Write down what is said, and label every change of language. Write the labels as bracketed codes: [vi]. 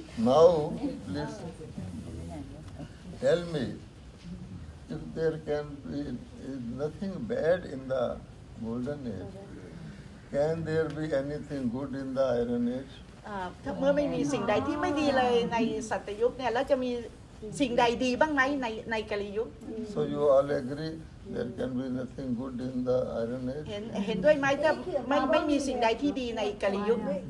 [en] Now please tell me if there can be nothing bad in the golden age. Can there be anything good in the Iron Age? [th] ถ้าเมื่อไม่มีสิ่งใดที่ไม่ดีเลยในสัตยุคเนี่ยแล้วจะมีสิ่งใดดีบ้างไหมในกาลยุค [en] So you all agree there can be nothing good in the Iron Age? [th] เห็นด้วยไหมถ้าไม่มีสิ่งใดที่ดีในกาลยุค